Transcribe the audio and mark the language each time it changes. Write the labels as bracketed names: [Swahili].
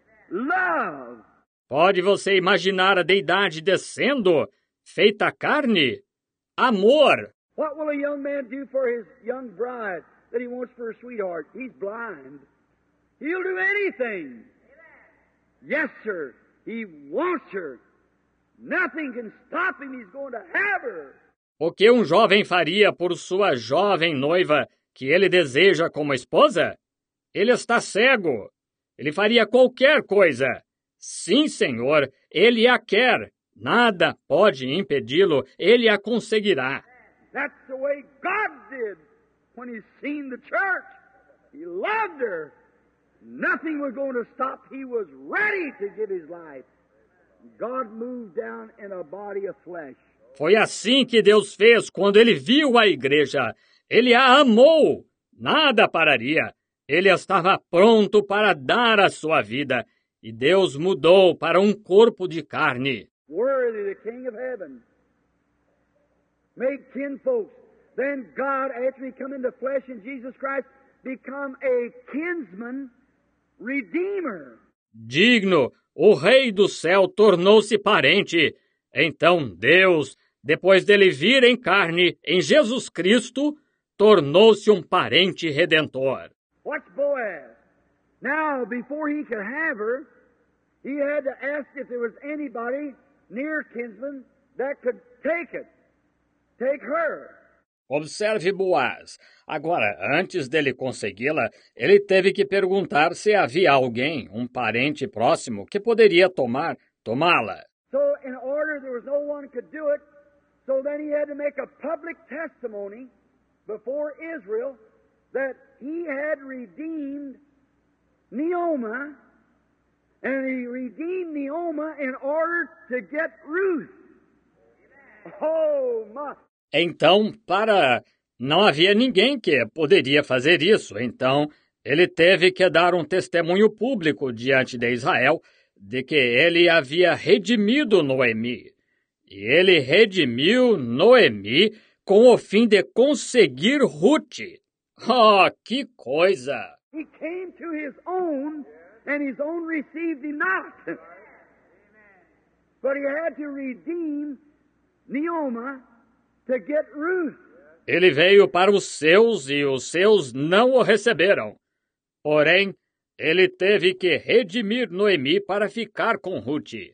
[English] Love. [Portuguese] Pode você imaginar a deidade descendo, feita carne? Amor. [English] What will a young man do for his young bride that he wants for a sweetheart? He's blind. He'll do anything. Yes, sir. He wants her. Nothing can stop him. He's going to have her. [Portuguese] O que um jovem faria por sua jovem noiva que ele deseja como esposa? Ele está cego. Ele faria qualquer coisa. Sim, senhor, ele a quer. Nada pode impedi-lo. Ele a conseguirá. [English] That's the way God did when he seen the church. He loved her. Nothing was going to stop. He was ready to give his life. God moved down in a body of flesh. [Portuguese] Foi assim que Deus fez quando ele viu a igreja. Ele a amou. Nada pararia. Ele estava pronto para dar a sua vida. E Deus mudou para um corpo de carne. [English] Worthy the King of Heaven. Made kinfolks. Then God actually come into flesh in Jesus Christ, become a kinsman redeemer. [Portuguese] Digno, o Rei do Céu tornou-se parente. Então Deus, depois dele vir em carne em Jesus Cristo, tornou-se um parente redentor. [English] What's Boaz? Now, before he could have her, he had to ask if there was anybody near kinsman that could take it. Take her. [Portuguese] Observe Boaz. Agora, antes dele consegui-la, ele teve que perguntar se havia alguém, um parente próximo, que poderia tomá-la. [English] So, in order, there was no one could do it. So then he had to make a public testimony before Israel that he had redeemed Naomi, and he redeemed Naomi in order to get Ruth. Oh, my. [Portuguese] Então, para... Não havia ninguém que poderia fazer isso. Então, ele teve que dar um testemunho público diante de Israel de que ele havia redimido Noemi. E ele redimiu Noemi com o fim de conseguir Ruth. Oh, que coisa! [English] He came to his own, and his own received him not. But he had to redeem Naomi to get Ruth. [Portuguese] Ele veio para os seus e os seus não o receberam. Porém, ele teve que redimir Noemi para ficar com Ruth.